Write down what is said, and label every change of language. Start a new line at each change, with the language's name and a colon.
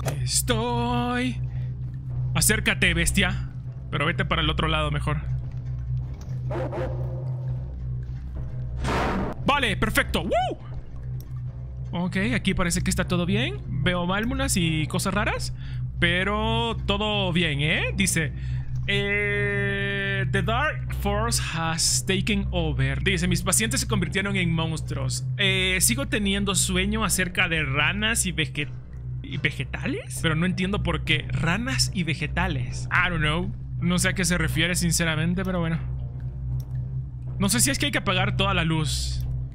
Spanish: Estoy... Acércate, bestia. Pero vete para el otro lado mejor. Vale, perfecto. ¡Woo! Ok, aquí parece que está todo bien. Veo válvulas y cosas raras. Pero todo bien, ¿eh? Dice...
English: The Dark Force has taken over.
Spanish: Dice, mis pacientes se convirtieron en monstruos. Sigo teniendo sueño acerca de ranas y vegetales. Pero no entiendo por qué. Ranas y vegetales.
English: I don't know.
Spanish: No sé a qué se refiere, sinceramente, pero bueno. No sé si es que hay que apagar toda la luz.